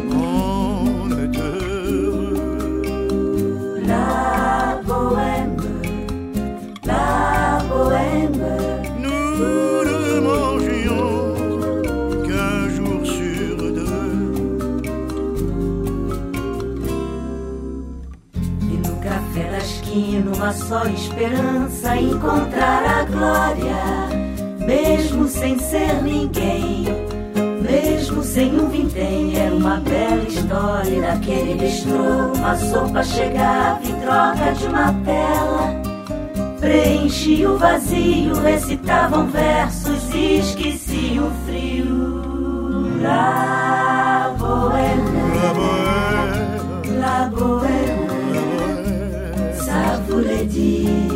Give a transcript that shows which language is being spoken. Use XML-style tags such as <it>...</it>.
<fr>on est heureux. La bohème, la bohème, nous ne mangions qu'un jour sur deux.</fr> <pt>E no café da esquina, uma só esperança, encontrar a glória, mesmo sem ser ninguém. Mesmo sem um vintém, era uma bela história daquele bistrô. Uma sopa chegava em troca de uma tela, preenchia o vazio, recitavam versos e esquecia o frio.</pt> <fr>La bohème, la bohème, la bohème, ça voulait dire</fr>